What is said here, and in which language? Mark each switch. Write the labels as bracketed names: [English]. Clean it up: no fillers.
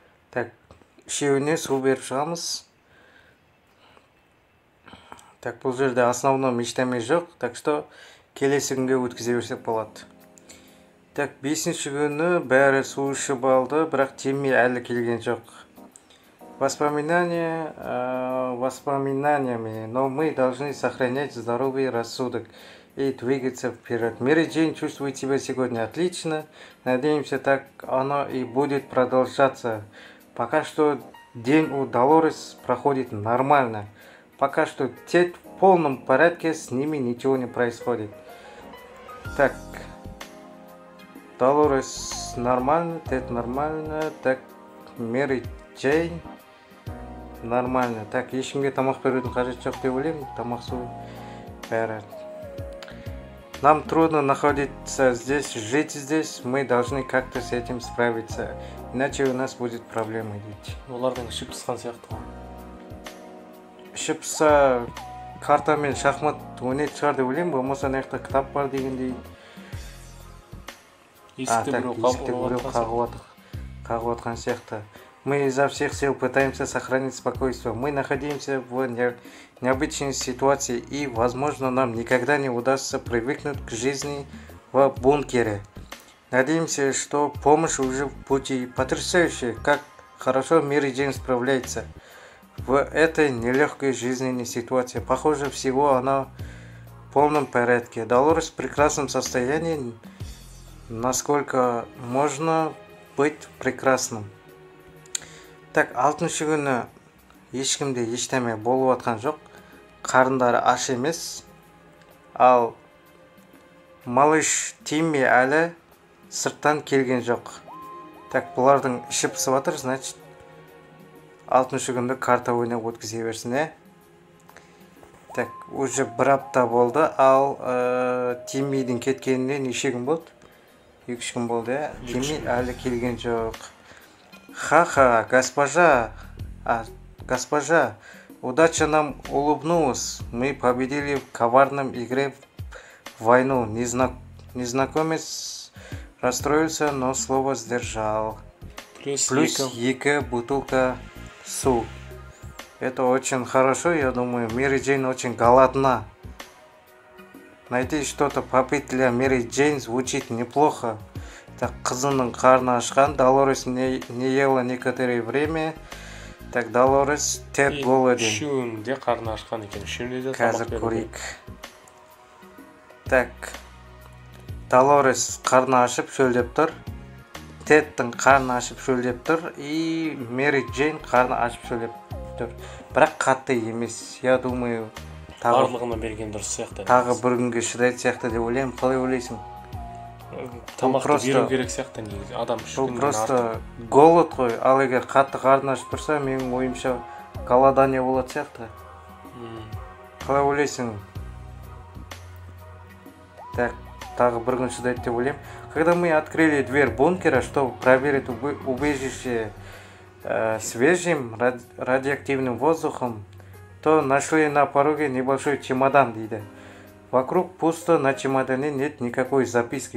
[Kazakh] Так, үшеуіне су беріп шығамыз. Так, бұл жерде основном ештеме жоқ, так что келесі күнге өткізе берсек болады. Так, бесінші күні бәрі су ішіп алды, бірақ Тимми әлі келген жоқ. [Russian] Воспоминаниями, но мы должны сохранять здоровый рассудок и двигаться вперед. Мэри Джейн чувствует себя сегодня отлично, надеемся, так оно и будет продолжаться. Пока что день у Долорес проходит нормально. Пока что Тед в полном порядке, с ними ничего не происходит. Так, Долорес нормально, Тед нормально, так, Мэри Джейн нормально. [Kazakh] Так, если мне тамақ берудің қажет жоқ деп ойлаймын, тамақ су бәрі. [Russian] Нам трудно находиться здесь, жить здесь, мы должны как-то с этим справиться, иначе у нас будет проблема, дети. [Kazakh] Олардың ішіп тысқан сияқты. Ішіп тысса, карта мен шахмат ойнайтын шығар деп ойлаймын, болмаса нақты кітап бар дегендей. Есікті біреу қағып отырған сияқты. [Russian] Мы изо всех сил пытаемся сохранить спокойствие. Мы находимся в необычной ситуации, и, возможно, нам никогда не удастся привыкнуть к жизни в бункере. Надеемся, что помощь уже в пути. Потрясающе, как хорошо Мэри Джейн справляется в этой нелегкой жизненной ситуации. Похоже, всего она в полном порядке. Долорес в прекрасном состоянии, насколько можно быть прекрасным. [Kazakh] Так, алтыншы күні ешкімде ештеме болып атқан жоқ, қарындары аш емес, ал малыш Тимми әлі сырттан келген жоқ. Так, бұлардың іші пысып атыр, значит, алтыншы күнді карта ойнап өткізе берсіне. Так, уже бір апта болды, ал Тиммидің кеткенінде неше күн болды? Екі күн болды, Тимми әлі келген жоқ. [Russian] Ха-ха, госпожа, госпожа, удача нам улыбнулась. Мы победили в коварном игре в войну. Незнакомец расстроился, но слово сдержал. Плюс ЕКЕ бутылка су. Это очень хорошо, я думаю. Мэри Джейн очень голодна. Найти что-то попить для Мэри Джейн звучит неплохо. Так, [Kazakh] қызының қарны ашқан, [Russian] Долорес не ела некоторое время. Так, Долорес тет голоден. [Kazakh] Үшінде қарны ашқан екен, үшінде де тамақ берді. Қазір көрейік. Так, Долорес қарны ашып шөлдеп тұр. Теттің қарны ашып шөлдеп тұр. И Мэри Джейн қарны ашып шөлдеп тұр. Бірақ қатты емес, [Russian] я думаю. [Kazakh] Барлығына берген дұрыс сияқты. Тағы бүрінгі шыдайды сияқты деп ойлаймын, қалай ойлайсың? Тамақты беру керек сияқты негізі, адам үшін күнінен артық. Бұл просто голод қой, ал егер қатты қарны ашып тұрса, менің ойымша голодание болады сияқты. Қалай ойлайсың? Так, тағы бір күн шыдайды деп ойлаймын. [Russian] Когда мы открыли дверь бункера, чтобы проверить убежище свежим радиоактивным воздухом, то нашли на пороге небольшой чемодан, дейді. Вокруг пусто, на чемодане нет никакой записки.